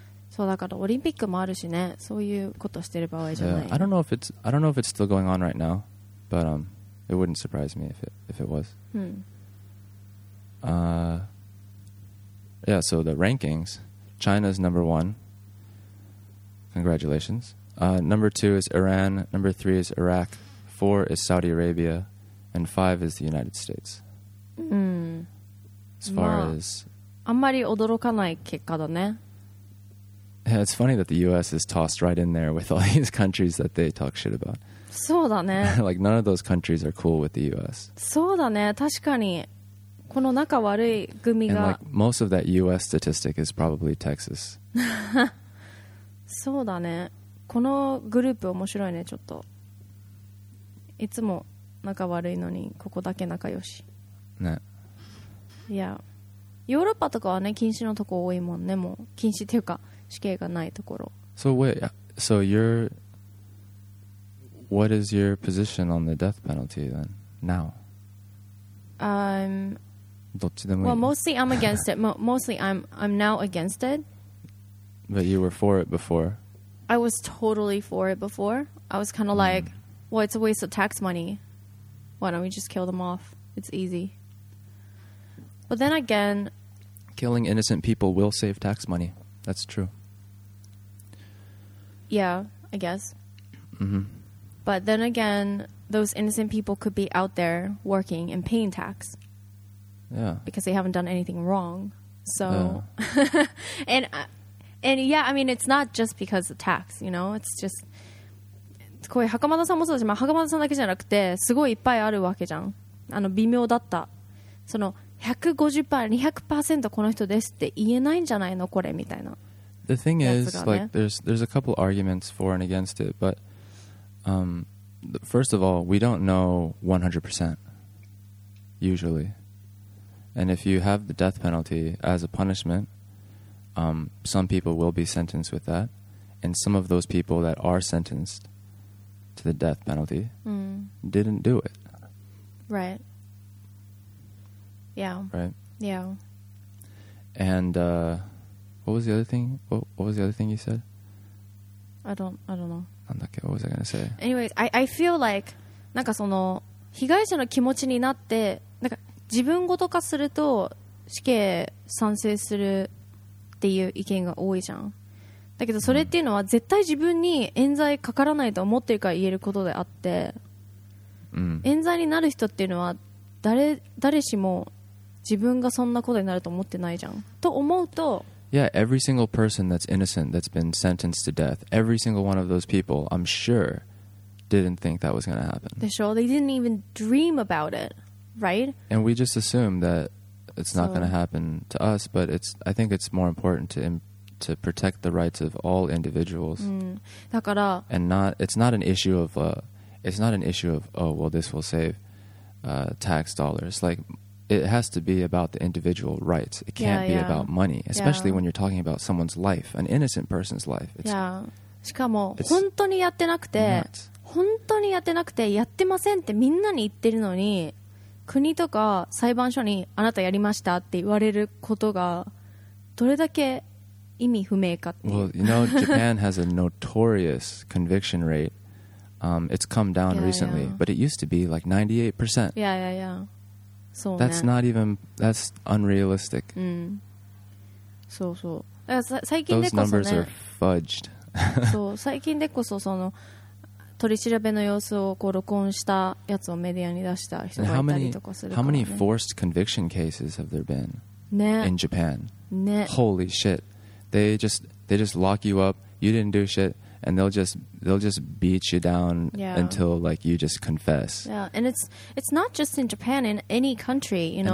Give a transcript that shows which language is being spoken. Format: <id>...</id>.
<ja>そうだからオリンピックもあるしね、そういうことしてる場合じゃない。</ja> <en>I don't know if it's I don't know if it's still going on right now, but it wouldn't surprise me if it was. Yeah. So the rankings, China's number one. Congratulations. Number two is Iran. Number three is Iraq. Four is Saudi Arabia, and five is the United States. As far as.</en> <ja>あんまり驚かない結果だね。</ja> <en>Yeah, it's funny that the U.S. is tossed right in there with all these countries that they talk shit about.</en> <ja>そうだね。</ja> <en>Like, none of those countries are cool with the U.S.</en> <ja>そうだね。確かに。この仲悪い組が。</ja> <en>And like, most of that U.S. statistic is probably Texas.</en> <ja>そうだね。このグループ面白いね、ちょっと。いつも仲悪いのに、ここだけ仲良し。ね。いや、ヨーロッパとかはね、禁止のとこ多いもんね、もう。禁止っていうか。死刑がないところ。</ja> <en>So wait, so you're, what is your position on the death penalty then now?</en> <ja>どっちでもいい。</ja> <en>Well, mostly I'm against it. mostly I'm now against it. But you were for it before. I was totally for it before. I was kind of like, well, it's a waste of tax money. Why don't we just kill them off? It's easy. But then again, killing innocent people will save tax money. That's true. Yeah, I guess. Mm-hmm. But then again, those innocent people could be out there working and paying tax. Yeah. Because they haven't done anything wrong. So, and yeah, I mean, it's not just because of tax, you know? It's just,</en> <ja>こういう袴田さんもそうだし、まあ、袴田さんだけじゃなくて、すごいいっぱいあるわけじゃん。あの、微妙だった。その、150%、200% この人ですって言えないんじゃないの、これみたいな。</ja> <en>The thing is, like, there's a couple arguments for and against it, but first of all, we don't know 100% usually. And if you have the death penalty as a punishment, some people will be sentenced with that. And some of those people that are sentenced to the death penalty didn't do it. Right. Yeah. Right? Yeah. And, what was the other thing? What was the other thing you said? I don't know.</en> <ja>なんだっけ?</ja> <en>What was I gonna say? Anyways, I feel like,</en> <ja>なんかその被害者の気持ちになって、なんか自分ごと化すると死刑賛成するっていう意見が多いじゃん。だけどそれっていうのは絶対自分に冤罪かからないと思ってるから言えることであって、冤罪になる人っていうのは誰しも自分がそんなことになると思ってないじゃん。と思うと。</ja> <en>Yeah, every single person that's innocent that's been sentenced to death, every single one of those people, I'm sure, didn't think that was going to happen. They sure they didn't even dream about it, right? And we just assume that it's not going to happen to us, but it's I think it's more important to protect the rights of all individuals.</en> <ja>だから</ja> <en>and not it's not an issue of it's not an issue of oh well this will save tax dollars like. It has to be about the individual rights. It can't be about money, especially when you're talking about someone's life, an innocent person's life. It's, yeah.</en> <ja>しかも本当にやってなくて、本当にやってなくて、やってませんってみんなに言ってるのに、国とか裁判所にあなたやりましたって言われることがどれだけ意味不明かっていう。</ja> <en>Well, you know, Japan has a notorious conviction rate. It's come down recently, but it used to be like 98%.</en> <ja>Yeah. そうね、</ja> <en>that's not even that's unrealistic.</en> <ja>そうそう。だから最近でこそね。</ja> <en>Those numbers are fudged.</en> <ja>そう最近でこそその取り調べの様子をこう録音したやつをメディアに出した人がいたりとかするからね。</ja> <en>How many forced conviction cases have there been、</en> <ja>ね、</ja> <en>in Japan?</en> <ja>ね。</ja> <en>Holy shit! They just lock you up. You didn't do shit. And they'll just beat you down until like you just confess. Yeah, and it's not just in Japan, in any country, you know.</en>